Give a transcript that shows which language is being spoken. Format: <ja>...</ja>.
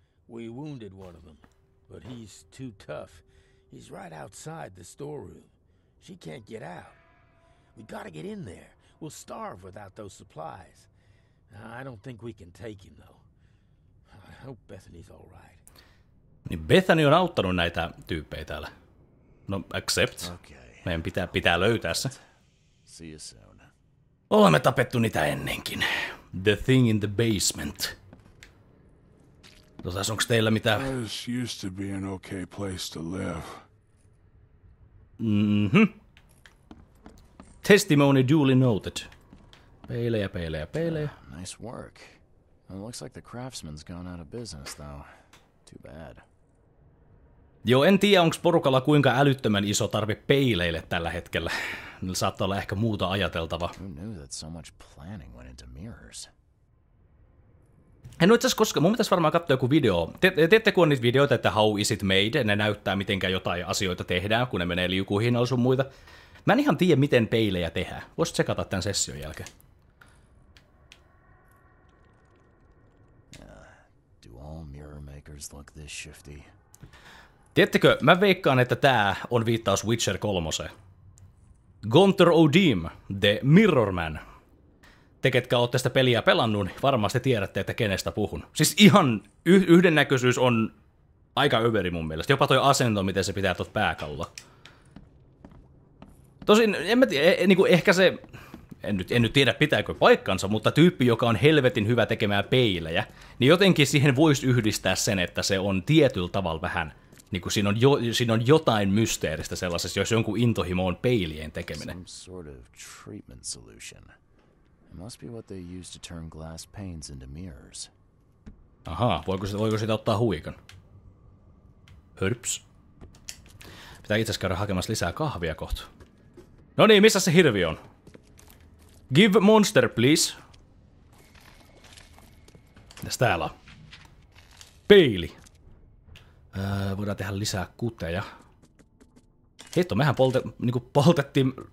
<en>We wounded one of them, but he's too tough. He's right outside the storeroom. She can't get out. We gotta get in there. We'll starve without those supplies. I don't think we can take him, though. I hope Bethany's all right.</en> <fi>Niin Bethany on auttanut näitä tyyppejä täällä.</fi> <en>No, accept. Okay.</en> <fi>Meidän pitää löytää se.</fi> <en>See you soon.</en> <fi>Olemme tapettu niitä ennenkin.</fi> <en>The thing in the basement.</en> <fi>Onks teillä mitään?</fi> <en>This used to be an okay place to live. Mm-hmm. Testimony duly noted.</en> <fi>Peilejä.</fi> <en>Nice work. It looks like the craftsman's gone out of business, though. Too bad.</en> <fi>Joo, en tiedä, onks porukalla kuinka älyttömän iso tarve peileille tällä hetkellä. Niillä saattaa olla ehkä muuta ajateltava.</fi> <en>Who knew that so much planning went into mirrors?</en> <fi>En ole itse asiassa koskaan, mun pitäisi varmaan katsoa joku video. Teette kun on niitä videoita, että</fi> <en>how is it made,</en> <fi>ne näyttää mitenkä jotain asioita tehdään, kun ne menee liukuihin ja sun muita. Mä en ihan tiedä, miten peilejä tehdään. Voisi tsekata tämän session jälkeen.</fi> <en>Do all mirror makers look this shifty?</en> <fi>Tiettekö, mä veikkaan, että tää on viittaus Witcher 3. Gunther Odim, the Mirror Man. Te, ketkä olette sitä peliä pelannut, niin varmasti tiedätte, että kenestä puhun. Siis ihan yhdennäköisyys on aika överi mun mielestä. Jopa toi asento, miten se pitää tuot pääkallo. Tosin, en mä tiedä, ehkä se, en nyt tiedä pitääkö paikkansa, mutta tyyppi, joka on helvetin hyvä tekemään peilejä, niin jotenkin siihen voisi yhdistää sen, että se on tietyllä tavalla vähän, niin kuin siinä on jotain mysteeristä sellaisessa, jos jonkun intohimo on peilien tekeminen.</fi> <en>Some sort of treatment solution. It must be what they use to turn glass panes into mirrors.</en> <fi>Aha, voiko sitä ottaa huikan? Hörps. Pitää itse käydä hakemassa lisää kahvia kohta. No niin, missä se hirvi on?</fi> <en>Give monster, please.</en> <fi>Mitäs täällä on? Peili. Voidaan tehdä lisää kuteja. Hitto, mehän poltettiin</fi>